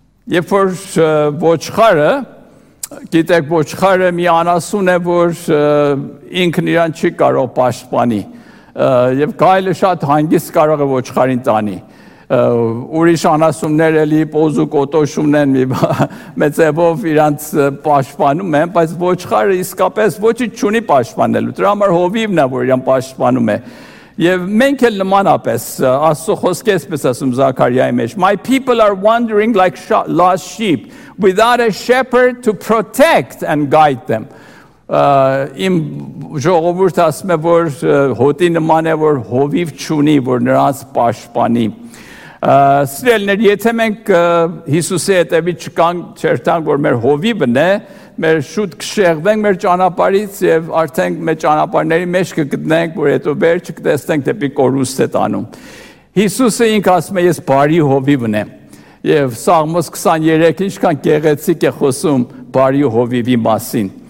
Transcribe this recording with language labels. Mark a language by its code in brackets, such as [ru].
[hy] Երբ որ ոչխարը, գիտեք, ոչխարը մի անասուն է, որ ինքն իրան չի կարող պաշտպանի, եւ գայլը շատ հանգիստ կարող է ոչխարին տանի, ուրիշ անասուններ էլի պոզու կոտոշումն են, մի մեծևով իրանց պաշտպանում են, բայց ոչխարը իսկապես ոչինչ չունի պաշտպանելու, դրա համար հովիվն է, որ իրան պաշտպանում է։ Եվ մենք էլ նմանապես, Աստծո խոսքը էսպես ասում Զաքարիայի մեջ. [en] My people are wandering like lost sheep, without a shepherd to protect and guide them. [hy] Իմ ժողովուրդը ասում է, որ հոտի նման է, որ հովիվ չունի, որ նրանց պաշտպանի։ Սիրելիներ, եթե մենք Հիսուսի հետևից չերթանք, որ մեր հովիվն է, մեր շուտ կշեղվենք մեր ճանապարից եւ արդեն մեր ճանապարհների մեջ կգտնենք, որ հետո վեր չկտեսնենք դեպի կորուստ է տանում։ Հիսուսը ինքը ասում է, ես բարի հովիվն եմ, եւ Սաղմոս 23-ին ինչքան գեղեցիկ է խոսում բարի հովիվի մասին։